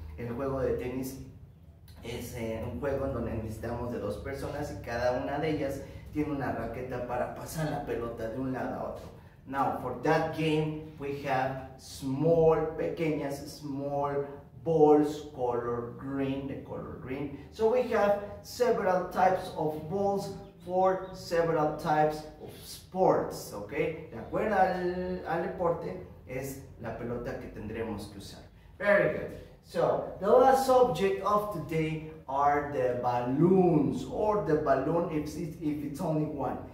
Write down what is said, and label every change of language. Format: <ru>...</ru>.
<es>El juego de tenis es un juego en donde necesitamos de dos personas y cada una de ellas tiene una raqueta para pasar la pelota de un lado a otro.</es> <en>Now, for that game, we have small, pequeñas, small balls, color green, the color green. So we have several types of balls for several types of sports, okay?</en> <es>De acuerdo al deporte, es la pelota que tendremos que usar.</es> <en>Very good. So, the last subject of today are the balloons, or the balloon if it's only one.</en>